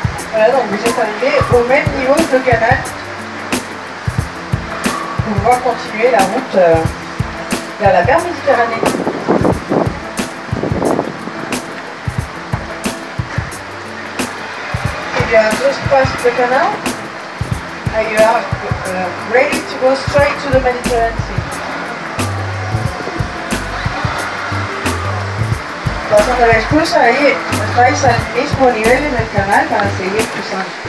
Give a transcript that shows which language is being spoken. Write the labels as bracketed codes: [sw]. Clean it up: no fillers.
[fr] Voilà, donc vous êtes arrivés au même niveau que Gannat. Pour pouvoir continuer la route vers la mer Méditerranée. Il y a juste passé le canal. [en] And you are ready to go straight to the Mediterranean Sea. [es] Pasando la esclusa ahí, estáis al mismo nivel en el canal para seguir cruzando.